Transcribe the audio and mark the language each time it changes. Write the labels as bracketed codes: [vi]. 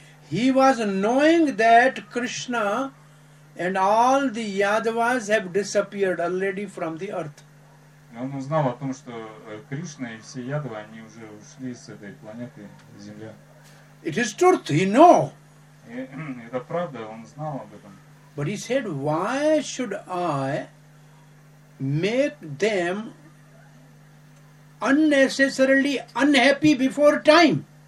[en] He was knowing that Krishna and all the Yadavas have disappeared already from the earth. [ru] Он узнал о том, что Кришна и все Ядавы они уже ушли с этой планеты Земля. [en] It is truth, he know. [ru] Это правда, он знал об этом. [en] But he said, why should I make them unnecessarily unhappy before time?